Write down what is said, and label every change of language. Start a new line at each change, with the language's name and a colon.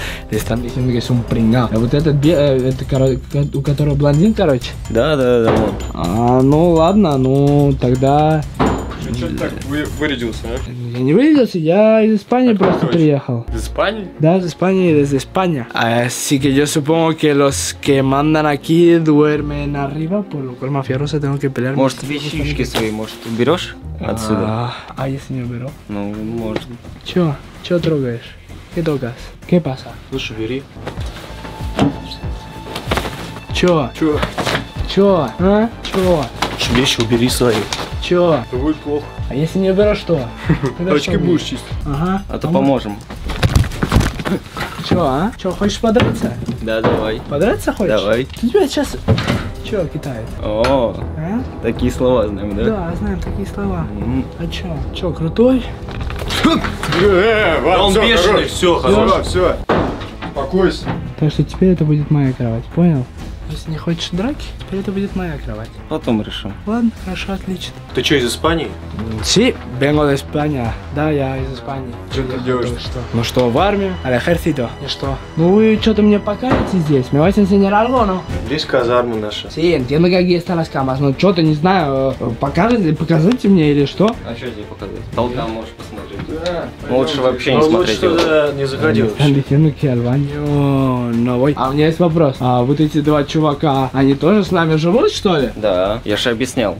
Russian: Здесь там есть много сумпринга. А вот этот, у которого блондин, короче? Да, да, да, вот. А, ну ладно, ну тогда... Что ты так вырядился, а? Я не вырядился, я из Испании так просто приехал. Из Испании? Да, из Испании, из Испании.
Spanish: Así que yo supongo que los que mandan aquí duermen arriba, por lo cual mafiosos tengo que pelear.
Russian: Может, вещички свои, может, уберешь отсюда? А если не уберу? Ну, может. Чё? Чё трогаешь?
Spanish: Que tocas? Que pasa?
Russian: Лучше бери. Чё? Чё? Чё? А? Чё? Чё, вещи убери свои. Чё? Да будет плохо. А если не уберу, что? Тачки будешь чистить. Ага. А то поможем. Чё, а? Чё, хочешь подраться? Да, давай. Подраться хочешь? Давай. Ты тебя сейчас... Чё, китает? О, такие слова знаем, да? Да, знаем такие слова. А чё? Чё, крутой? Да он бешеный, всё, хорошо. Всё, успокойся. Так что теперь это будет моя кровать, понял? Если не хочешь драки, то это будет моя кровать. Потом решим. Ладно, хорошо, отлично. Ты что, из Испании?
Spanish: Sí, vengo de España.
Russian: Да, я из Испании. Что ты делаешь? Что? Ну что, в армию?
Spanish: Al ejército.
Russian: И что? Ну вы что-то мне покажете здесь?
Spanish: Me vas a enseñar algo, no?
Russian: Здесь казармы наши.
Spanish: Sí, entiendo que aquí están las camas.
Russian: Ну что-то, не знаю, покажите мне или что? А что здесь показать? Толкам можешь посмотреть. Да. Лучше вообще не смотреть. Лучше туда не заходи вообще. А у меня есть вопрос. А вот эти два чувака, они тоже с нами живут, что ли? Да, я же объяснял.